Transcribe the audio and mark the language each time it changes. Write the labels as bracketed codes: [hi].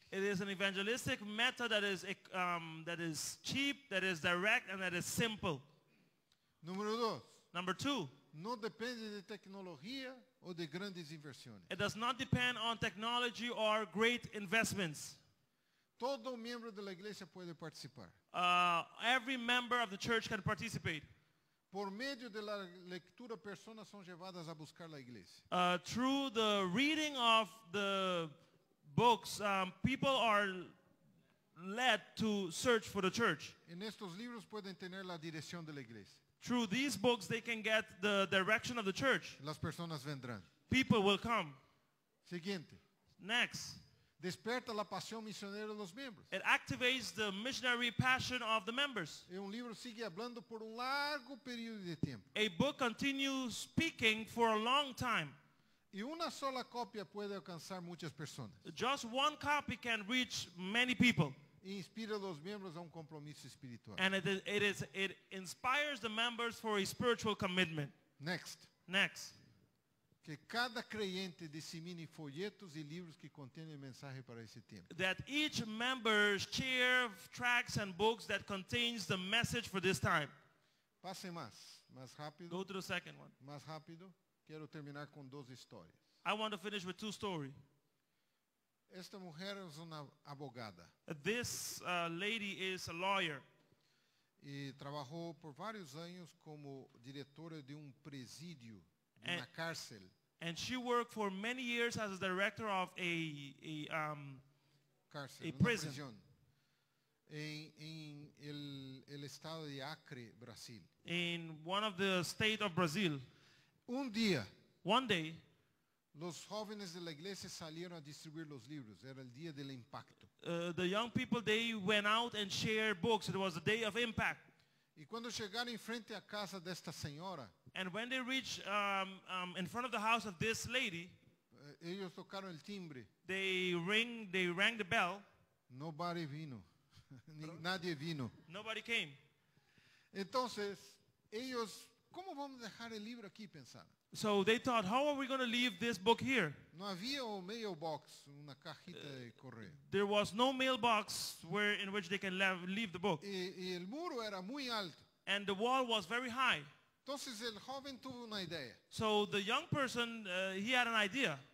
[en] It is an evangelistic method that is cheap, that is direct and that is simple. [pt] Número dois. [en] Number two. [pt] Não depende de tecnologia ou de grandes inversões. [en] It does not depend on technology or great investments. [pt] Todo membro da igreja pode participar. [en] Every member of the church can participate. [pt] Por meio da leitura, pessoas são levadas a buscar a igreja. [en] Through the reading of the books, people are led to search for the church. [es] En estos libros pueden tener la dirección de la iglesia. [en] Through these books, they can get the direction of the church. [es] Las personas vendrán. [en] People will come. [es] Siguiente. [en] Next. [es] Desperta la pasión misionera de los miembros. [en] It activates the missionary passion of the members. [es] Y un libro sigue hablando por un largo periodo de tiempo. [en] A book continues speaking for a long time. [es] Y una sola copia puede alcanzar muchas personas. [en] Just one copy can reach many people. [es] E inspira los miembros a un compromiso espiritual. [en] And it inspires the members for a spiritual commitment. Next. [es] Que cada creyente disemine folletos y libros que contienen mensaje para ese tiempo. [en] That each member share tracts and books that contains the message for this time. [es] Pase más rápido. [en] Go to the second one. [es] Más rápido. Quiero terminar con dos historias. [en] I want to finish with two stories. [es] Esta mujer es una abogada. [en] This lady is a lawyer. [es] Y trabajó por varios años como directora de un presidio. And, una cárcel. [en] And she worked for many years as a director of a [es] cárcel, [en] a prison. [es] Prisión, en el estado de Acre, Brasil. [en] In one of the state of Brazil. [es] Un día. [en] One day. [es] Los jóvenes de la iglesia salieron a distribuir los libros. Era el día del impacto. [en] The young people, they went out and shared books. It was a day of impact. [es] Y cuando llegaron en frente a casa de esta señora. [en] And when they reached in front of the house of this lady, [es] ellos tocaron el timbre. [en] They rang the bell. Nobody [es] vino. Nadie vino. [en] Nobody came. [es] Entonces, ellos, ¿cómo vamos a dejar el libro aquí? Pensaron. [en] So they thought, how are we going to leave this book here? [es] No había un mailbox, una cajita de correo. [en] There was no mailbox where in which they can leave the book. [es] Y el muro era muy alto. [en] And the wall was very high. [es] Entonces el joven tuvo una idea. [en] So the young person, he had an idea.